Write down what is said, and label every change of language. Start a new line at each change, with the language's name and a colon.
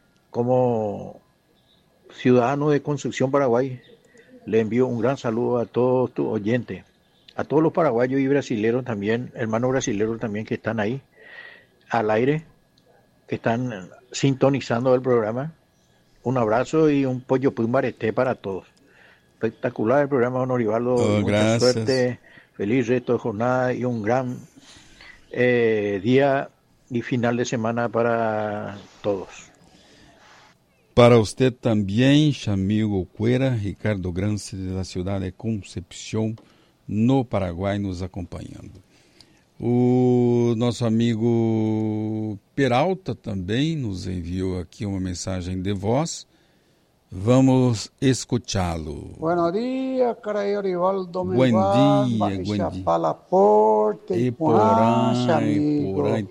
Portuguese: Como cidadão de Concepción, Paraguai, le envio um grande saludo a todos os ouvintes, a todos os paraguaios e brasileiros também, irmãos brasileiros também que estão aí, al aire,
Spanish: que están sintonizando el programa. Un abrazo y un pollo pumbareté para todos. Espectacular el programa, don Orivaldo. Oh, mucha gracias. Suerte, feliz resto de jornada y un gran día y final de semana para todos. Para usted también, Chamigo Cuera, Ricardo Grance, de la ciudad de Concepción, no Paraguay, nos acompañando.
Portuguese: O nosso amigo Peralta também nos enviou aqui uma mensagem de voz. Vamos escutá-lo. Bom dia, caralho, Orivaldo. Bom dia, bom dia. Fala porte e porancha, amigo.